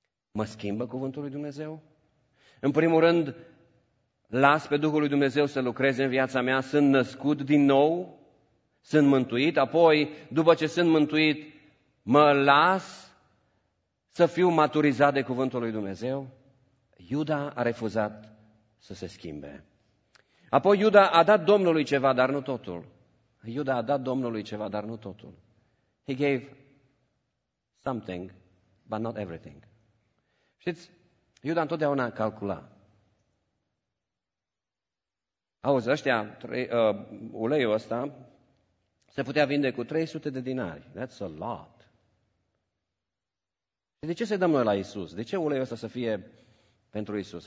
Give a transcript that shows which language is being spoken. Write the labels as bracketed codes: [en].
[ro] Mă schimbă cuvântul lui Dumnezeu? În primul rând, las pe Duhul lui Dumnezeu să lucreze în viața mea, sunt născut din nou, sunt mântuit, apoi, după ce sunt mântuit, mă las să fiu maturizat de cuvântul lui Dumnezeu. Iuda a refuzat să se schimbe. Apoi Iuda a dat Domnului ceva, dar nu totul. Iuda a dat Domnului ceva, dar nu totul. [en] He gave something, but not everything. [ro] Știți, Iuda întotdeauna calcula. Auzi, ăștia, uleiul ăsta se putea vinde cu 300 de dinari. [en] That's a lot. [ro] De ce să dăm noi la Iisus? De ce uleiul ăsta să fie pentru Iisus?